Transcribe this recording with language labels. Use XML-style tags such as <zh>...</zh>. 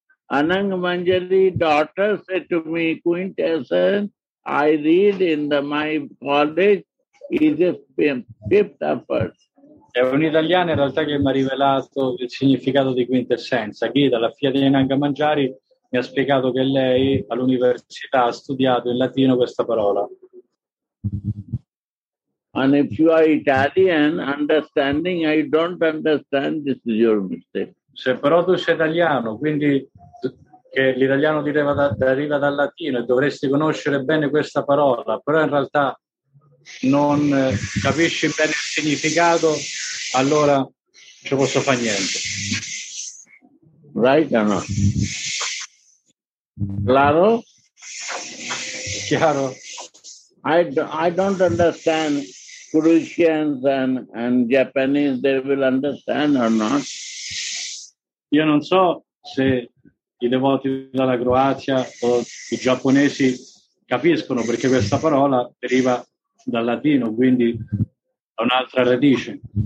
<en>Anang Manjari daughter said to me, quintessence, I read in the my college is a fifth effort.</en> <it>È un italiano in realtà che mi ha rivelato il significato di quintessenza. Gita, la figlia di Nanga Mangiari, mi ha spiegato che lei all'università ha studiato in latino questa parola.</it> <en>And if you are Italian, understanding, I don't understand, this is your mistake.</en> <it>Se però tu sei italiano, quindi che l'italiano deriva dal latino e dovresti conoscere bene questa parola, però in realtà non capisci bene il significato, allora ci posso fare niente.</it> <en>Right or not?</en> <es>Claro?</es> <it>Chiaro?</it> <en>I don't understand Croatians and Japanese, they will understand or not?</en> <it>Io non so se i devoti dalla Croazia o i giapponesi capiscono, perché questa parola deriva dal latino, quindi da un'altra radice.</it>